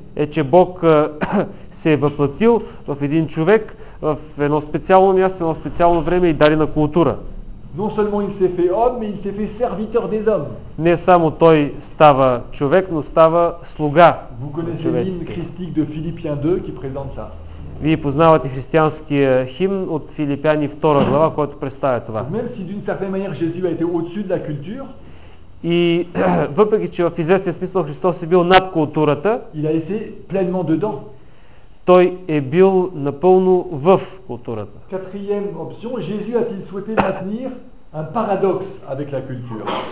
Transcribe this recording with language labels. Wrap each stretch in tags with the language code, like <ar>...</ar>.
<bg>Е, че Бог се е въплътил в един човек в едно специално място, едно специално време и дадена култура.</bg> <fr>Non seulement il s'est fait homme, mais il s'est fait serviteur des hommes.</fr> <bg>Не само той става човек, но става слуга.</bg> <fr>Vous connaissez l'hymne christique de Philippiens 2 qui présente ça.</fr> <bg>Вие познавате християнския химн от Филипяни 2 глава, който представя това.</bg> <fr>Même si d'une certaine manière Jésus a été au-dessus de la culture.</fr> <bg>И въпреки че в известен смисъл Христос е бил над културата,</bg> <fr>il a été pleinement dedans.</fr> <bg>Той е бил напълно в културата.</bg> <fr>Quatrième option, Jésus a-t-il souhaité maintenir un paradoxe avec la culture?</fr>